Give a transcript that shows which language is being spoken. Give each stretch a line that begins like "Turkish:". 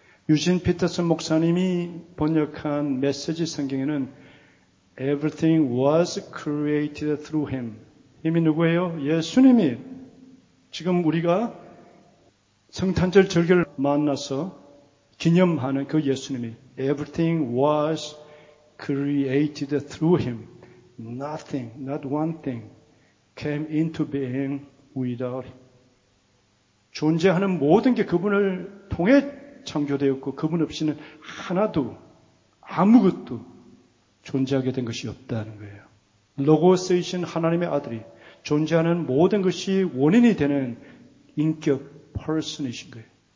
Korean: 유진 피터슨 목사님이 번역한 메시지 성경에는
English: Everything was created through him.
Korean: 이미 누구예요? 예수님이 지금 우리가 성탄절 절기를 만나서 기념하는 그 예수님이
English: Everything was created through him. Nothing, not one thing came into being without him.
Korean: 존재하는 모든 게 그분을 통해 창조되었고 그분 없이는 하나도 아무것도 존재하게 된 것이 없다는 거예요. 로고스이신 하나님의 아들이 존재하는 모든 것이 원인이 되는 인격 퍼슨이신 거예요.